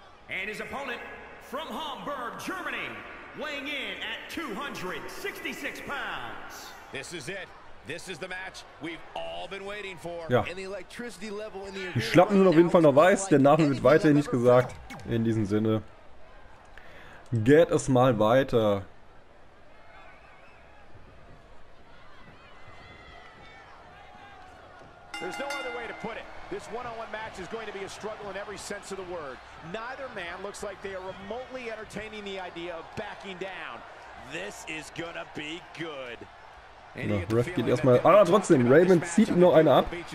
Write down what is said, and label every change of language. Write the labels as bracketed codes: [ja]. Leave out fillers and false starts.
[en] And his opponent from Hamburg, Germany, weighing in at 266 pounds. This is it. This is the match we've all been waiting for. [de] Ja. Die Schlappen sind auf jeden Fall noch weiß. Der Name wird weiterhin nicht gesagt. In diesem Sinne. Geht es mal weiter. [en] There's no other way to put it. This one-on-one match is going to be a struggle in every sense of the word. Neither man looks like they are remotely entertaining the idea of backing down. This is gonna be good. [de] Na, Ref geht erstmal. Ah, trotzdem, Raven zieht ihm noch eine ab.